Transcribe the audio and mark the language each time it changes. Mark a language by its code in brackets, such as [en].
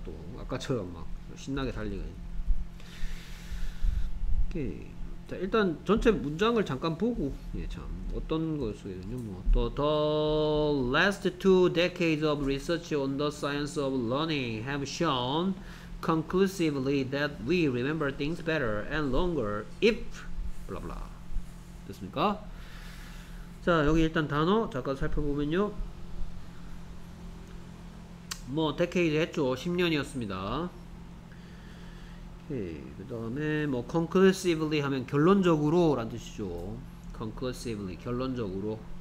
[ko] 또 아까처럼 막 신나게 달리고. 오케이, 자 일단 전체 문장을 잠깐 보고 예 참 어떤 거였어요? [en] 뭐 the last two decades of research on the science of learning have shown conclusively that we remember things better and longer if [ko] 블라블라 됐습니까? 자 여기 일단 단어 잠깐 살펴보면요 뭐 decade 했죠 10년이었습니다 그 다음에 뭐 conclusively 하면 결론적으로 라는 뜻이죠 conclusively 결론적으로